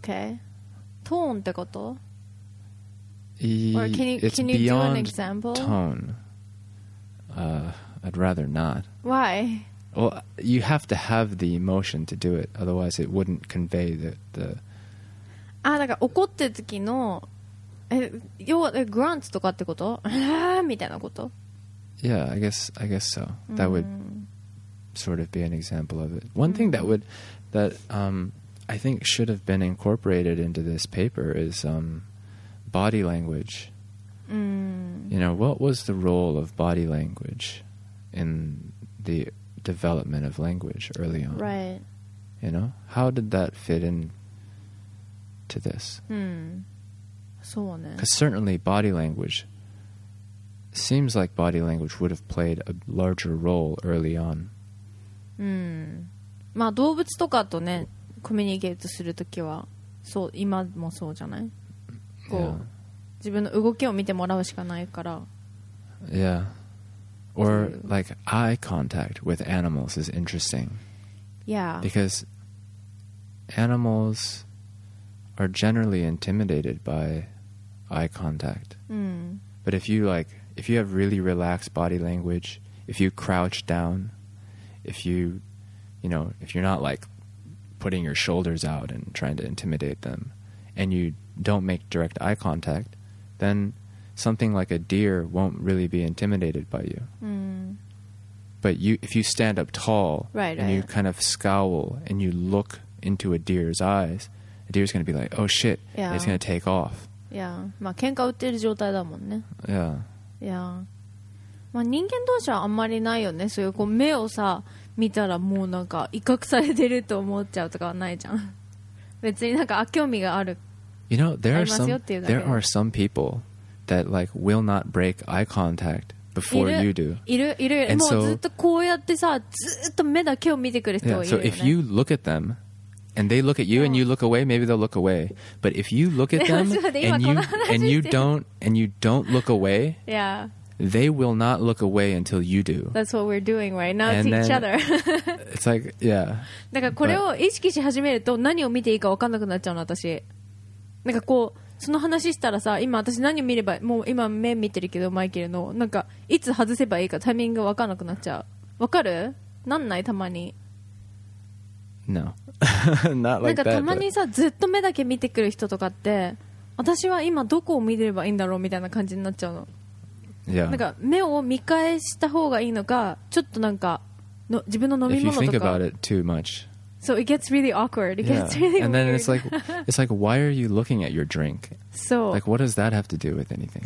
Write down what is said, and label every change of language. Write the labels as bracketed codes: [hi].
[ja] Okay. Tone ってこと? [en] Can you give an example? Tone. I'd rather not. Why? Well, you have to have the emotion to do it, otherwise, it wouldn't convey the. [ja] Ah, だから怒ってる時の要はグランツとかってこと? みたいなこと? [en] Yeah, I guess so. That would sort of be an example of it. One thing that would, that I think should have been incorporated into this paper is body language. You know, what was the role of body language in the development of language early on? Right. You know, how did that fit in to this? Because certainly body language seems like body language would have played a larger role early on. [ja] まあ動物とかとねコミュニケートするときはそう今もそうじゃない。こう、 [en] yeah. [ja] 自分の動きを見てもらうしかないから。 [en] Yeah. Or like eye contact with animals is interesting. Yeah. Because animals are generally intimidated by eye contact. Mm. But if you like, if you have really relaxed body language, if you crouch down, if you, you know, if you're not like putting your shoulders out and trying to intimidate them, and you don't make direct eye contact, then something like a deer won't really be intimidated by you. Mm. But you, if you stand up tall, right, and you kind of scowl and you look into a deer's eyes, a deer's going to be like, oh shit, yeah. it's going to take off. Yeah. まあ喧嘩売ってる状態だもんね。 Yeah. Yeah. [ja] まあ人間同士はあんまりないよね。そういうこう目をさ、見たらもうなんか威嚇されてると思っちゃうとかはないじゃん。別になんか興味がある。 [en] You know, there are some people that like will not break eye contact before you do. [ja] いる。 [en] And so, [ja] もうずっとこうやってさ、ずっと目だけを見てくる人はいるよね。 [en] Yeah, so if you look at them,And they look at you, and you look away. Maybe they'll look away. But if you look at them, and you don't look away, yeah. they will not look away until you do. That's what we're doing right now to each other. It's like, yeah. [ja] だからこれを意識し始めると何を見ていいか分かんなくなっちゃうの私。なんかこうその話したらさ、今私何を見ればもう今目見てるけどマイケルのなんかいつ外せばいいかタイミング分かんなくなっちゃう。分かる？なんないたまに。 [en] No. Not like [ja] なんかたまにさ、ずっと目だけ見てくる人とかって、私は今どこを見てればいいんだろうみたいな感じになっちゃうの。 [en] Yeah. [ja] なんか目を見返した方がいいのか、ちょっとなんかの自分の飲み物とか。 [en] If you think about it too much. So it gets really awkward. It gets really weird. And then it's like, why are you looking at your drink? So. Like, what does that have to do with anything?